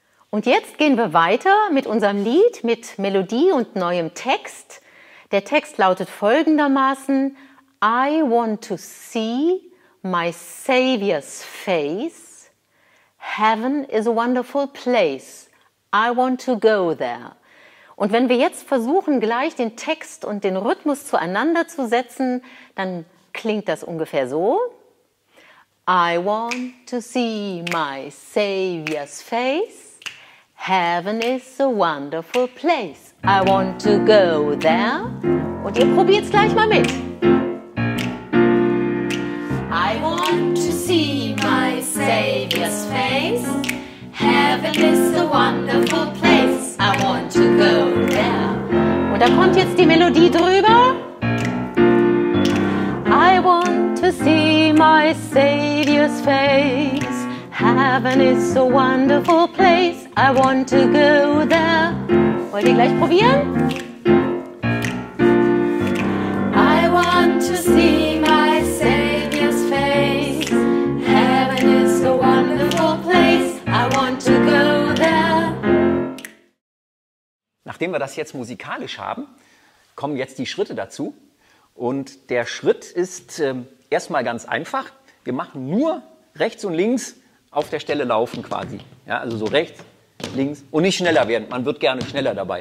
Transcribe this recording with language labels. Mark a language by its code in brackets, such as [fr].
[de] Und jetzt gehen wir weiter mit unserem Lied, mit Melodie und neuem Text. Der Text lautet folgendermaßen: [en] I want to see my Savior's face. Heaven is a wonderful place. I want to go there. [de] Und wenn wir jetzt versuchen, gleich den Text und den Rhythmus zueinander zu setzen, dann klingt das ungefähr so. [en] I want to see my Savior's face. Heaven is a wonderful place. I want to go there. [de] Und ihr probiert's gleich mal mit. [en] I want to see my Savior's face. Heaven is a wonderful place. I want to go there. [de] Und da kommt jetzt die Melodie drüber. [en] I want to see my Savior's face. Heaven is a wonderful place. I want to go there. [de] Wollt ihr gleich probieren? [en] I want to see my Savior's face. Heaven is a wonderful place. I want to go there. [de] Nachdem wir das jetzt musikalisch haben, kommen jetzt die Schritte dazu. Und der Schritt ist erstmal ganz einfach. Wir machen nur rechts und links auf der Stelle laufen quasi. Ja, also so rechts, links und nicht schneller werden. Man wird gerne schneller dabei.